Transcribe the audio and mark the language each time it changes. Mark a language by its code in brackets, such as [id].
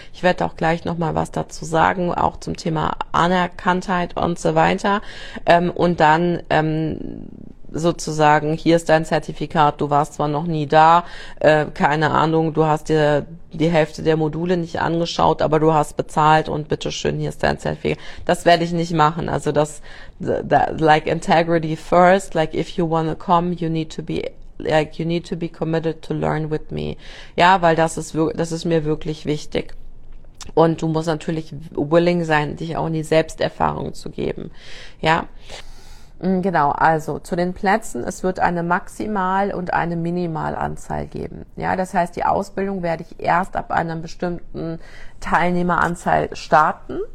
[de] Ich werde auch gleich nochmal was dazu sagen, auch zum Thema Anerkanntheit und so weiter. Und dann sozusagen, hier ist dein Zertifikat, du warst zwar noch nie da, keine Ahnung, du hast dir die Hälfte der Module nicht angeschaut, aber du hast bezahlt und bitteschön, hier ist dein Zertifikat. Das werde ich nicht machen. Also das, [en] like integrity first, like if you wanna come, you need to be committed to learn with me. [de] Ja, weil das ist mir wirklich wichtig. Und du musst natürlich willing sein, dich auch in die Selbsterfahrung zu geben. Ja, genau. Also zu den Plätzen. Es wird eine Maximal- und eine Minimalanzahl geben. Ja, das heißt, die Ausbildung werde ich erst ab einer bestimmten Teilnehmeranzahl starten.